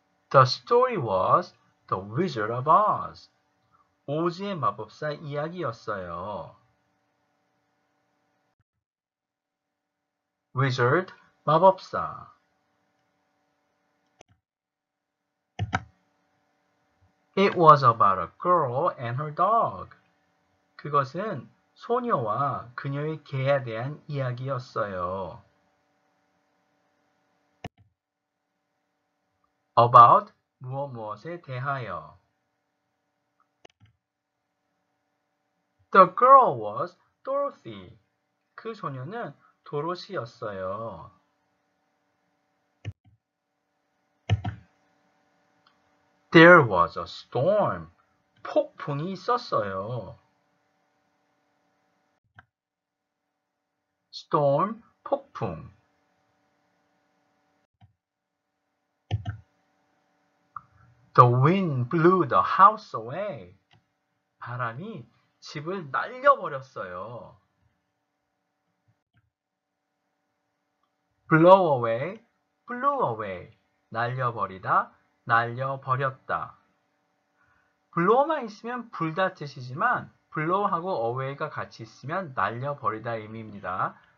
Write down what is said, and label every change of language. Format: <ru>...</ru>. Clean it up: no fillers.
<en>The story was The Wizard of Oz.</en> <ko>오즈의 마법사 이야기였어요. Wizard, 마법사.</ko> <en>It was about a girl and her dog.</en> <ko>그것은 소녀와 그녀의 개에 대한 이야기였어요. About 무엇무엇에 대하여.</ko> <en>The girl was Dorothy.</en> <ko>그 소녀는 도로시였어요.</ko> <en>There was a storm.</en> <ko>폭풍이 있었어요. Storm, 폭풍.</ko> <en>The wind blew the house away.</en> <ko>바람이 집을 날려버렸어요.</ko> <en>Blow away, blew away.</en> <ko>날려버리다, 날려버렸다. Blow만 있으면 불다 뜻이지만 blow하고 away가 같이 있으면 날려버리다 의미입니다.</ko>